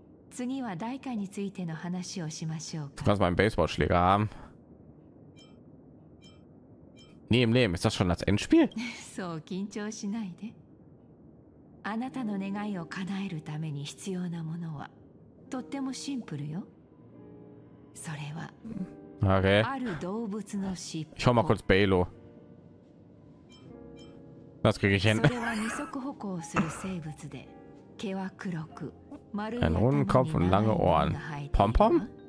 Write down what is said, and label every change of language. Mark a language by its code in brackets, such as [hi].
[ja] 次は大会についての話をしましょう。 [de] Du kannst meinen Baseballschläger haben. Nee, im Leben, ist das schon das Endspiel? [ja] そう、緊張しないで。あなたの願いを叶えるために必要なものはとってもシンプルよ。それは、ある動物の尻尾。 [de] Schau mal kurz, Baylo. Das krieg ich hin. [ja] それは二足歩行をする生物で、毛は黒く。 [de] Einen runden Kopf und lange Ohren. Pompom?